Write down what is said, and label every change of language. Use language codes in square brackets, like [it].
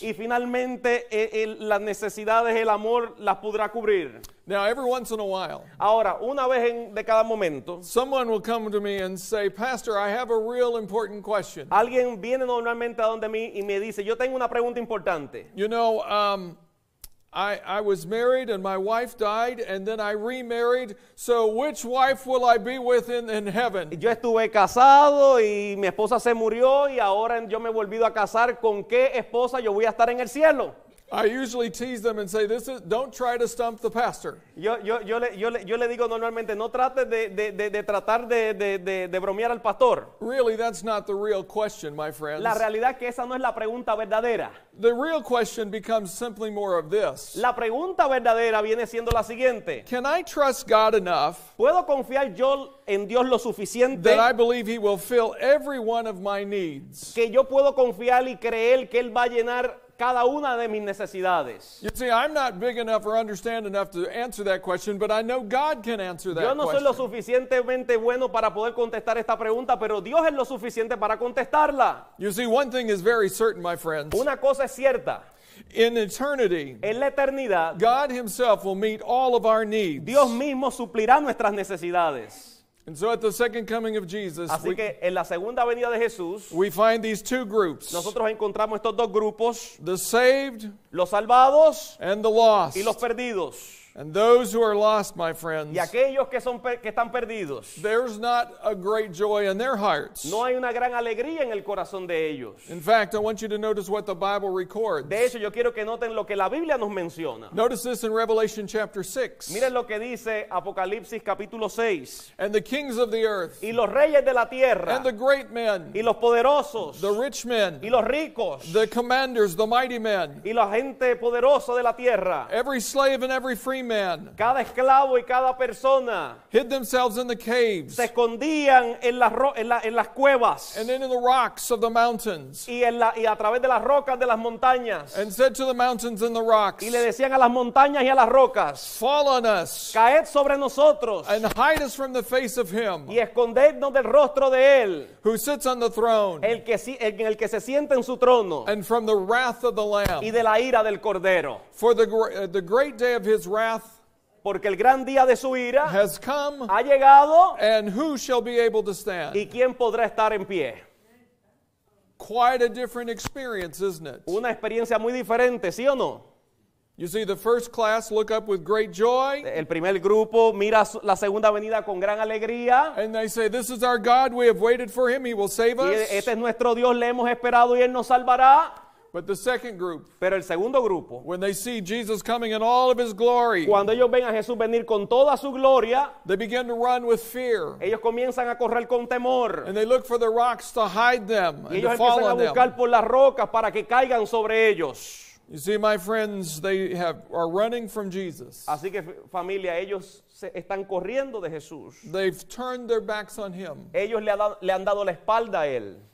[es] Y finalmente las necesidades del amor las podrá cubrir. [en] Now, every once in a while, [es] ahora, una vez en, de cada momento, [en] someone will come to me and say, Pastor, I have a real important question. [es] Alguien viene normalmente a donde mí y me dice, yo tengo una pregunta importante. [en] You know, I was married and my wife died and then I remarried. So which wife will I be with in heaven? [es] Yo estuve casado y mi esposa se murió y ahora yo me he volvido a casar. ¿Con qué esposa yo voy a estar en el cielo? [en] I usually tease them and say, "This is don't try to stump the pastor." [es] Yo le digo normalmente no trates de tratar de bromear al pastor. [en] Really, that's not the real question, my friends. [es] La realidad es que esa no es la pregunta verdadera. [en] The real question becomes simply more of this. [es] La pregunta verdadera viene siendo la siguiente. [en] Can I trust God enough? [es] ¿Puedo confiar yo en Dios lo suficiente? [en] That I believe He will fill every one of my needs. [es] Que yo puedo confiar y creer que él va a llenar cada una de mis necesidades. [en] You see, I'm not big enough or understand enough to answer that question, but I know God can answer that question. [es] Yo no soy lo suficientemente bueno para poder contestar esta pregunta, pero Dios es lo suficiente para contestarla. [en] You see, one thing is very certain, my friends. [es] Una cosa es cierta. [en] In eternity, [es] en la eternidad, [en] God himself will meet all of our needs. [es] Dios mismo suplirá nuestras necesidades. [en] And so at the second coming of Jesus, [es] así que en la segunda venida de Jesús, [en] we find these two groups. [es] Nosotros encontramos estos dos grupos, [en] the saved, [es] los salvados, [en] and the lost, [es] y los perdidos. [en] And those who are lost, my friends, [es] y aquellos que son que están perdidos, [en] there's not a great joy in their hearts. [es] No hay una gran alegría en el corazón de ellos. [en] In fact, I want you to notice what the Bible records. [es] De hecho, yo quiero que noten lo que la Biblia nos menciona. [en] Notice this in Revelation chapter 6. [es] Miren lo que dice Apocalipsis capítulo 6. [en] And the kings of the earth. [es] Y los reyes de la tierra. [en] And the great men. [es] Y los poderosos. [en] The rich men. [es] Y los ricos. [en] The commanders, the mighty men. [es] Y la gente poderosa de la tierra. [en] Every slave and every free man. [es] Cada esclavo y cada persona. [en] Hid themselves in the caves. [es] Se escondían en las cuevas. [en] And in the rocks of the mountains. [es] Y a través de las rocas de las montañas. [en] And said to the mountains and the rocks. [es] Y le decían a las montañas y a las rocas. [en] Fall on us. [es] Caed sobre nosotros. [en] And hide us from the face of him. [es] Y escondednos del rostro de él. [en] Who sits on the throne. [es] El que se sienta en su trono. [en] And from the wrath of the lamb. [es] Y de la ira del cordero. [en] For the great day of his wrath, [es] porque el gran día de su ira [en] has come, [es] ha llegado, [en] and who shall be able to stand? [es] ¿Y quién podrá estar en pie? [en] Quite a different experience, isn't it? [es] Una experiencia muy diferente, ¿sí o no? [en] You see, the first class look up with great joy. [es] El primer grupo mira la segunda venida con gran alegría. [en] And they say, "This is our God. We have waited for him. He will save us." [es] Y este es nuestro Dios. Le hemos esperado y él nos salvará. [en] But the second group, [es] pero el segundo grupo, [en] when they see Jesus coming in all of his glory, [es] cuando ellos ven a Jesús venir con toda su gloria, [en] they begin to run with fear. [es] Ellos comienzan a correr con temor. [en] And they look for the rocks to hide them [es] y ellos [en] and to fall [es] empiezan [en] on them. [es] A buscar por las rocas para que caigan sobre ellos. [en] You see, my friends, they are running from Jesus. [es] Así que familia, ellos están corriendo de Jesús. [en] They've turned their backs on him. [es] Ellos le han dado la espalda a él.